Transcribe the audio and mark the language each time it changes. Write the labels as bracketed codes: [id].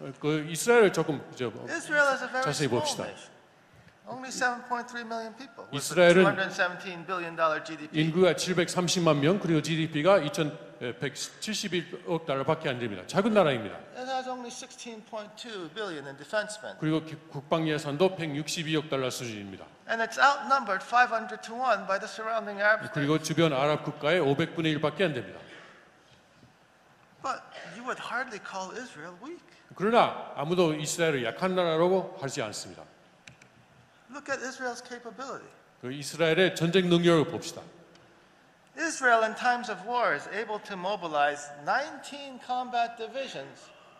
[ko] 그 이스라엘을 조금 이제 [en] Israel is a very [ko] 자세히 봅시다. [en] Only 7.3 million people. [ko] 이스라엘은 [en] 217 billion dollar GDP. [ko] 인구가 730만 명 그리고 GDP가 2,171억 달러밖에 안 됩니다. 작은 나라입니다. [en] It has only 16.2 billion in defense spending. [ko] 그리고 국방 예산도 162억 달러 수준입니다. [en] And it's outnumbered 500 to 1 by the surrounding Arab countries. [ko] 그리고 주변 아랍 국가의 500분의 1밖에 안 됩니다. [en] But you would hardly call Israel weak. [ko] 그러나 아무도 이스라엘을 약한 나라라고 하지 않습니다. [en] Look at Israel's capability. [ko] 그 이스라엘의 전쟁 능력을 봅시다. [en] Israel in times of war is able to mobilize 19 combat divisions.